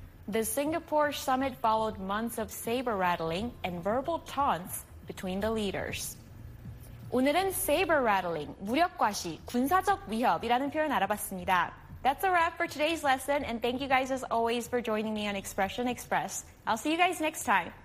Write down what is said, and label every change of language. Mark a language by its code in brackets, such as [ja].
[en] The Singapore summit followed months of saber rattling and verbal taunts between the leaders. [ko] 오늘은 saber rattling, 무력과시, 군사적 위협이라는 표현 알아봤습니다. [en] That's a wrap for today's lesson, and thank you guys as always for joining me on Expression Express. I'll see you guys next time.